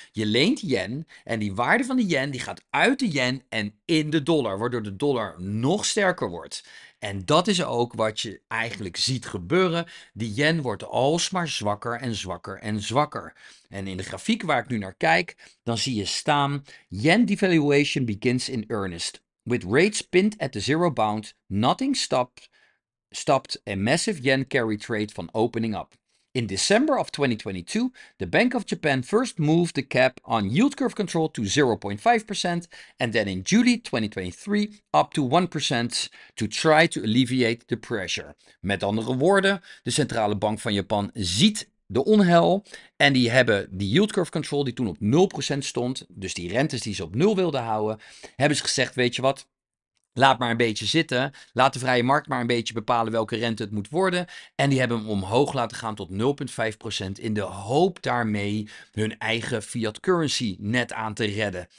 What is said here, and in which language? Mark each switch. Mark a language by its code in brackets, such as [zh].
[nl] Je leent yen en die waarde van de yen die gaat uit de yen en in de dollar, waardoor de dollar nog sterker wordt. En dat is ook wat je eigenlijk ziet gebeuren. Die yen wordt alsmaar zwakker en zwakker en zwakker. En in de grafiek waar ik nu naar kijk, dan zie je staan: [en] yen devaluation begins in earnest. With rates pinned at the zero bound, nothing stopped a massive yen carry trade from opening up. In December of 2022, the Bank of Japan first moved the cap on yield curve control to 0.5% and then in July 2023 up to 1% to try to alleviate the pressure. [nl] Met andere woorden, de centrale bank van Japan ziet de onheil en die hebben die yield curve control die toen op 0% stond, dus die rentes die ze op 0 wilden houden, hebben ze gezegd, weet je wat, laat maar een beetje zitten. Laat de vrije markt maar een beetje bepalen welke rente het moet worden. En die hebben hem omhoog laten gaan tot 0,5% in de hoop daarmee hun eigen fiat currency net aan te redden.